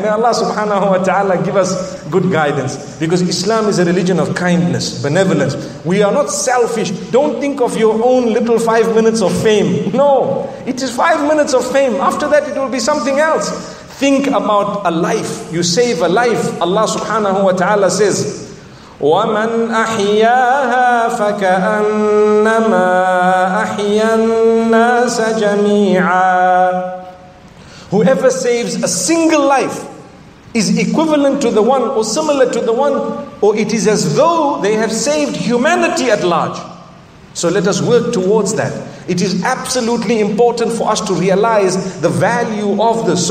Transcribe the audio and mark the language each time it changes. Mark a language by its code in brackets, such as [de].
[en] May Allah subhanahu wa ta'ala give us good guidance. Because Islam is a religion of kindness, benevolence. We are not selfish. Don't think of your own little 5 minutes of fame. No, it is 5 minutes of fame. After that, it will be something else. Think about a life. You save a life. Allah subhanahu wa ta'ala says, [ar] وَمَنْ أَحْيَاهَا فَكَأَنَّمَا أَحْيَا النَّاسَ جَمِيعًا. [en] Whoever saves a single life is equivalent to the one, or similar to the one, or it is as though they have saved humanity at large. So let us work towards that. It is absolutely important for us to realize the value of this.